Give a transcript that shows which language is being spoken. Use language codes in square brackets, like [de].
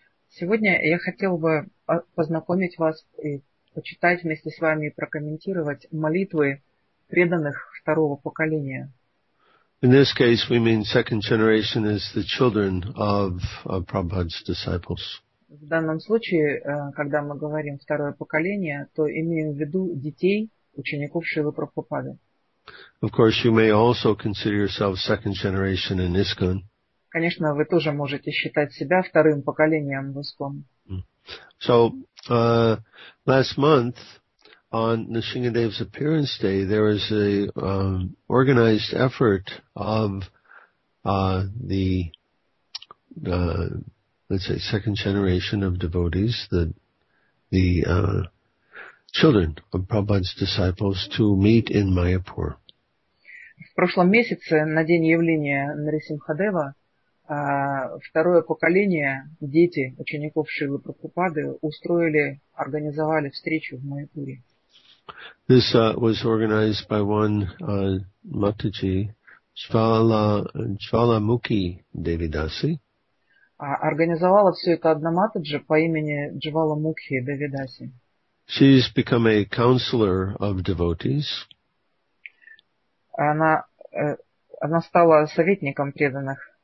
[ru] Сегодня я хотел бы познакомить вас и почитать вместе с вами и прокомментировать молитвы преданных второго поколения. [en] In this case we mean second generation as the children of Prabhupada's disciples. [ru] В данном случае, когда мы говорим второе поколение, то имеем в виду детей учеников Шрилы Прабхупады. [en] Of course, you may also consider yourself second generation in ISKCON. [ru] Конечно, вы тоже можете считать себя вторым поколением в ISKCON. [en] So, last month, on Nrisimhadev's appearance day, there was an organized effort of second generation of devotees, the children of Prabhupada's disciples, to meet in Mayapur. [ru] В прошлом месяце, на день явления Нарисимхадева, второе поколение, дети учеников Шрилы Прабхупады, устроили, организовали встречу в Майяпуре. [en] This was organized by one Mataji, Jvalamukhi Devidasi. [ru] Организовала все это одна Матаджи по имени Джваламукхи Девидаси. [en] She's become a counselor of devotees. [ru] Она стала советником преданных.